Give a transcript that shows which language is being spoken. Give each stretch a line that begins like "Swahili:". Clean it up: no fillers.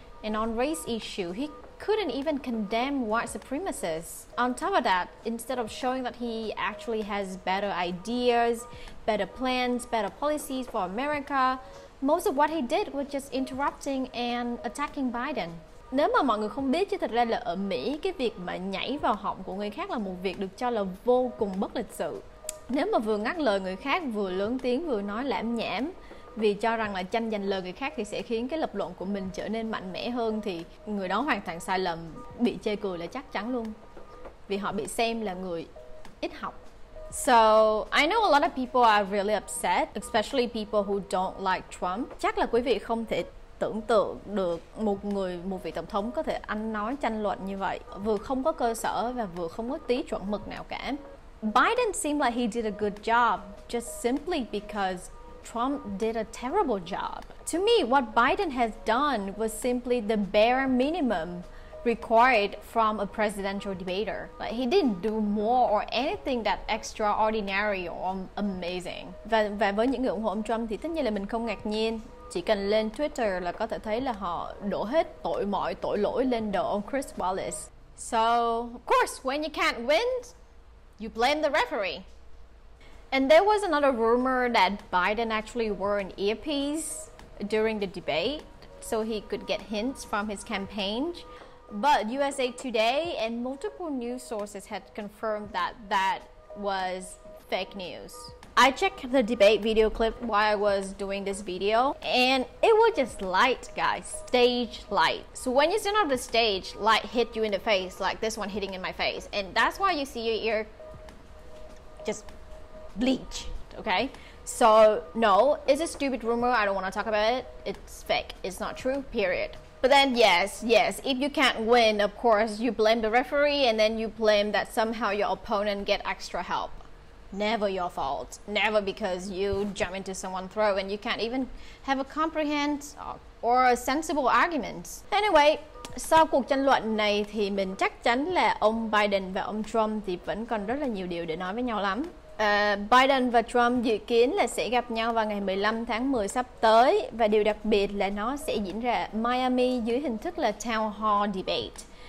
English: And on race issue, he couldn't even condemn white supremacists. On top of that, instead of showing that he actually has better ideas, better plans, better policies for America, most of what he did was just interrupting and attacking Biden.
Vietnamese: Nếu mà mọi người không biết chứ thật ra là ở Mỹ, cái việc mà nhảy vào họng của người khác là một việc được cho là vô cùng bất lịch sự. Nếu mà vừa ngắt lời người khác, vừa lớn tiếng, vừa nói lảm nhảm vì cho rằng là tranh giành lời người khác thì sẽ khiến cái lập luận của mình trở nên mạnh mẽ hơn, thì người đó hoàn toàn sai lầm, bị chê cười là chắc chắn luôn. Vì họ bị xem là người ít học.
English: So, I know a lot of people are really upset, especially people who don't like Trump.
Vietnamese: Chắc là quý vị không thể tưởng tượng được một người, một vị tổng thống có thể ăn nói tranh luận như vậy, vừa không có cơ sở và vừa không có tí chuẩn mực nào cả.
English: Biden seemed like he did a good job just simply because Trump did a terrible job. To me, what Biden has done was simply the bare minimum required from a presidential debater. Like, he didn't do more or anything that extraordinary or amazing. Và với những người ủng hộ ông Trump thì tất nhiên là mình không ngạc nhiên. Chỉ cần lên Twitter là có thể thấy là họ đổ hết tội mọi tội lỗi lên đầu ông Chris Wallace. So, of course, when you can't win, you blame the referee. And there was another rumor that Biden actually wore an earpiece during the debate so he could get hints from his campaign. But USA Today and multiple news sources had confirmed that that was fake news. I checked the debate video clip while I was doing this video, and it was just light, guys. Stage light. So when you stand on the stage, light hit you in the face, like this one hitting in my face, and that's why you see your ear just bleach, okay? So no, it's a stupid rumor. I don't want to talk about it. It's fake. It's not true, period. But then, yes, if you can't win, of course, you blame the referee and then you blame that somehow your opponent get extra help. Never your fault. Never because you jump into someone's throat and you can't even have a comprehend or a sensible argument.
Vietnamese: Anyway, sau cuộc tranh luận này thì mình chắc chắn là ông Biden và ông Trump thì vẫn còn rất là nhiều điều để nói với nhau lắm. Biden và Trump dự kiến là sẽ gặp nhau vào ngày 15 tháng 10 sắp tới và điều đặc biệt là nó sẽ diễn ra Miami dưới hình thức là Town Hall Debate.